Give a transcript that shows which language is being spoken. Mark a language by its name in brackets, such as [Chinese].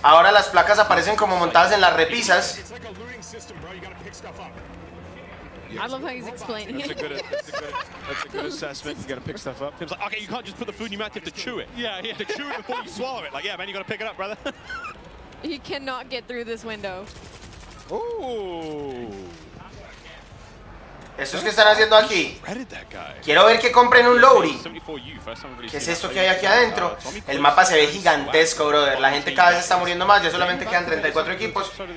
[Spanish] Ahora las placas aparecen como montadas en las repisas. [English] I love how he's explaining. That's a good assessment. You gotta pick stuff up. Tim's like, okay, you can't just put the food in your mouth. You have to chew it. Yeah, yeah. To chew it before you swallow it. Like, yeah, man, you gotta pick it up, brother. He cannot get through this window. Ooh. [Spanish] ¿Esto es que están haciendo aquí? Quiero ver que compren un Lowry. ¿Qué es esto que hay aquí adentro? El mapa se ve gigantesco, brother. La gente cada vez está muriendo más. Ya solamente quedan 34 equipos.